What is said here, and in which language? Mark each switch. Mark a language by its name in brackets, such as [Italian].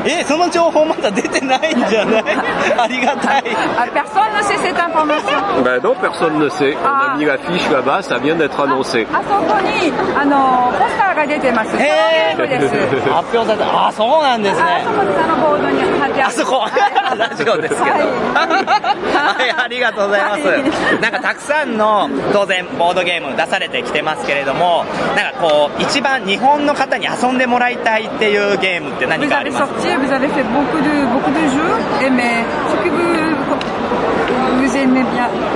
[Japanese] その情報まだ出てないんじゃない？ありがたい。 [French] Personne ne sait cette information。 ben non, personne ne sait. On a mis l'affiche là-bas, ça vient d'être annoncé. [Japanese] あそこにあのポスターが出てます。へえ。発表された。あ、そうなんですね。あそこのボードに貼ってある。あそこ。ラジオですけど。はい、ありがとうございます。なんかたくさんの当然ボードゲーム出されてきてますけれども、なんかこう一番日本の方に遊んでもらいたいっていうゲームって何かありますか？ [French] Vous avez fait beaucoup de jeux, mais ce que vous aimez bien,